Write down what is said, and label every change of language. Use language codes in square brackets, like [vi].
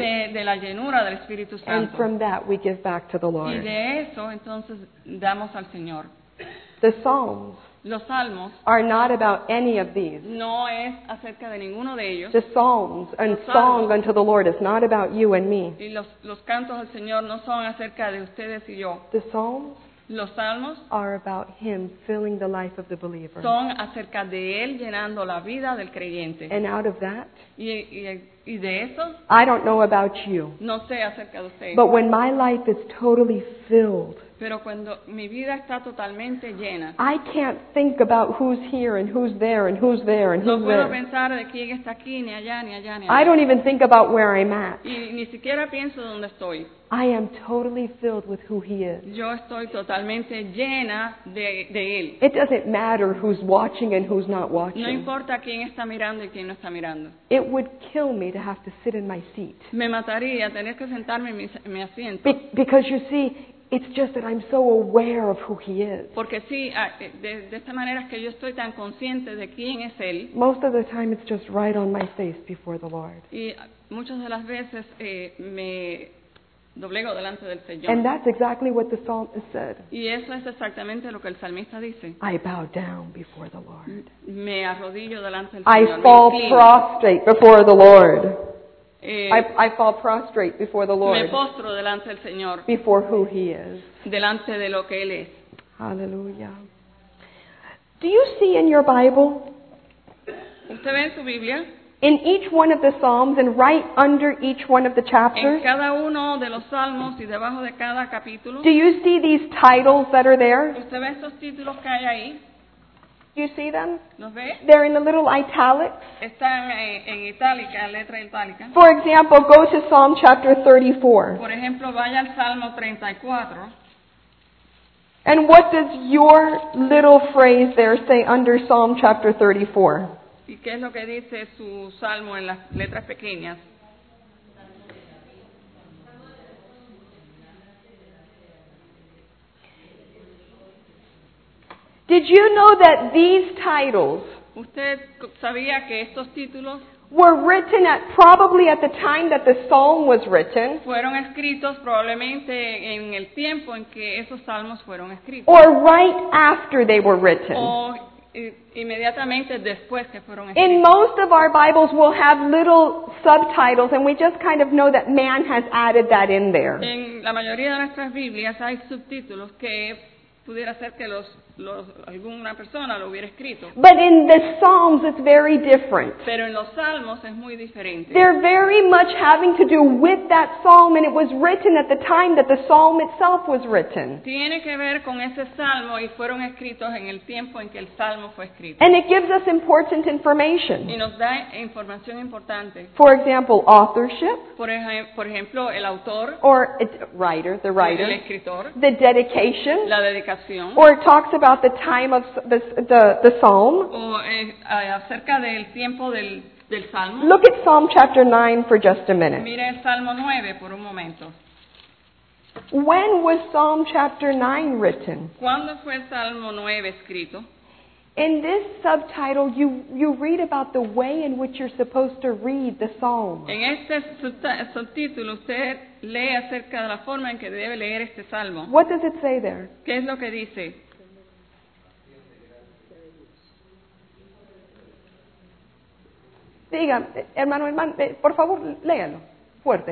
[es] Viene de la llenura del Espíritu Santo. [en] And from that we give back to the Lord. [es] Y de eso, entonces, damos al Señor. [en] The Psalms, [es] los Salmos, [en] are not about any of these. [es] No es acerca de ninguno de ellos. [en] The Psalms and [es] los Salmos, [en] song unto the Lord is not about you and me. [es] Y los cantos al Señor no son acerca de ustedes y yo. [en] The Psalms, [es] los Salmos, [en] are about him filling the life of the believer. [es] Son acerca de él llenando la vida del creyente. [en] And out of that, [es] y de eso, [en] I don't know about you, [es] no sé acerca de usted, [en] but when my life is totally filled [es] Pero cuando mi vida está totalmente llena, [en] I can't think about who's here and who's there and who's there and who's there. [es] No puedo pensar de quién está aquí, ni allá, ni allá, ni allá. [en] I don't even think about where I'm at. [es] Y ni siquiera pienso dónde estoy. [en] I am totally filled with who he is. [es] Yo estoy totalmente llena de él. [en] It doesn't matter who's watching and who's not watching. [es] No importa quién está mirando y quién no está mirando. [en] It would kill me to have to sit in my seat. [es] Me mataría tener que sentarme en mi asiento. [en] Because you see, it's just that I'm so aware of who he is. [es] Porque sí, de esta manera es que yo estoy tan consciente de quién es él. [en] Most of the time it's just right on my face before the Lord. [es] Y muchas de las veces me doblego delante del Señor. [en] And that's exactly what the psalmist said. [es] Y eso es exactamente lo que el salmista dice. [en] I bow down before the Lord. [es] Me arrodillo delante del [en] I [es] Señor. [en] Fall prostrate before the Lord. I fall prostrate before the Lord. [es] Me postro delante del Señor. [en] Before who he is. [es] Delante de lo que él es. [en] Hallelujah. Do you see in your Bible? [es] ¿Usted ve en su Biblia? [en] In each one of the Psalms and right under each one of the chapters. [es] En cada uno de los salmos y debajo de cada capítulo. [en] Do you see these titles that are there? [es] ¿Usted ve esos títulos que hay ahí? [en] Do you see them? [es] ¿Los ve? [en] They're in the little italics. [es] Están en itálica, letra itálica. [en] For example, go to Psalm chapter 34. [es] Por ejemplo, vaya al Salmo 34. [en] And what does your little phrase there say under Psalm chapter 34? [es] ¿Y qué es lo que dice su salmo en las letras pequeñas? [en] Did you know that these titles [es] ¿Usted sabía que estos títulos [en] were written at probably at the time that the psalm was written? [es] Fueron escritos probablemente en el tiempo en que esos salmos fueron escritos. [en] Or right after they were written. [es] Inmediatamente después que fueron escritos. [en] In most of our Bibles we'll have little subtitles and we just kind of know that man has added that in there. [es] En la mayoría de nuestras Biblias hay subtítulos que pudiera ser que alguna persona lo hubiera escrito. [en] But in the Psalms it's very different. [es] Pero en los Salmos es muy diferente. [en] They're very much having to do with that Psalm and it was written at the time that the Psalm itself was written. [es] Tiene que ver con ese Salmo y fueron escritos en el tiempo en que el Salmo fue escrito. [en] And it gives us important information. [es] Y nos da información importante. [en] For example, authorship. [es] Por ejemplo, el autor. [en] Or writer, the writer. [es] El escritor. [en] The dedication. [es] La dedicación. [en] Or it talks about the time of the psalm. [es] Acerca del tiempo del salmo. [en] Look at Psalm chapter 9 for just a minute. [es] Mira el Salmo 9 por un momento. [en] When was Psalm chapter 9 written? [es] ¿Cuándo fue el Salmo 9 escrito? [en] In this subtitle, you read about the way in which you're supposed to read the psalm. [es] En este subtítulo, usted lee acerca de la forma en que debe leer este salmo. [en] What does it say there? [es] ¿Qué es lo que dice? Diga, hermano, por favor, léalo, fuerte.